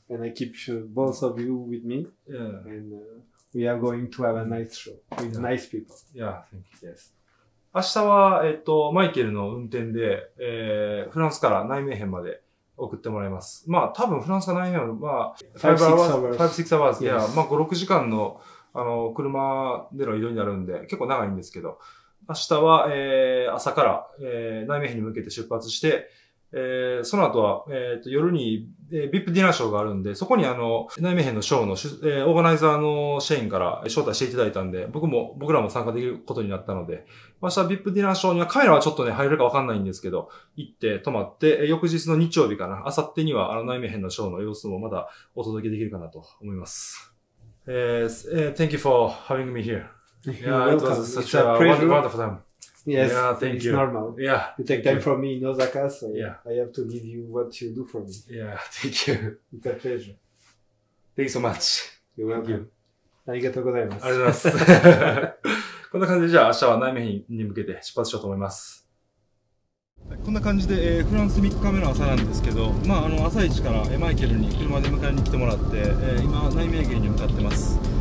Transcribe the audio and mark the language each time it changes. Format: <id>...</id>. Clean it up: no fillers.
<en>And I keep both of you with me. Yeah. And, we are going to have a nice show with nice people. Yeah, thank you. Yes.</en> <ja>明日は、マイケルの運転で、フランスからナイメーヘンまで送ってもらいます。まあ、多分フランスからナイメーヘンは、5、6 hours。いや、まあ、5、6時間の、車での移動になるんで、結構長いんですけど、明日は、朝から、ナイメーヘンに向けて出発して、その後は、夜に、VIP ディナーショーがあるんで、そこにナイメヘンのショーの、オーガナイザーのシェインから招待していただいたんで、僕らも参加できることになったので、明日 VIP ディナーショーにはカメラはちょっとね、入れるかわかんないんですけど、行って泊まって、翌日の日曜日かな、明後日にはナイメヘンのショーの様子もまだお届けできるかなと思います。</ja> <en>Thank you for having me here. Yeah, it was such a wonderful time. Yes, yeah, thank it's you. Normal. Yeah, you take time from me in Osaka, so I have to give you what you do for me. Yeah, thank you. It's a pleasure. Thanks so much. You're welcome. Thank you.</en> <ja>ありがとうございます。ありがとうございます。こんな感じでじゃあ明日は内面に向けて出発しようと思います。こんな感じで、フランス3日目の朝なんですけど、まあ朝一からマイケルに車で迎えに来てもらって、今内面に向かってます。</ja>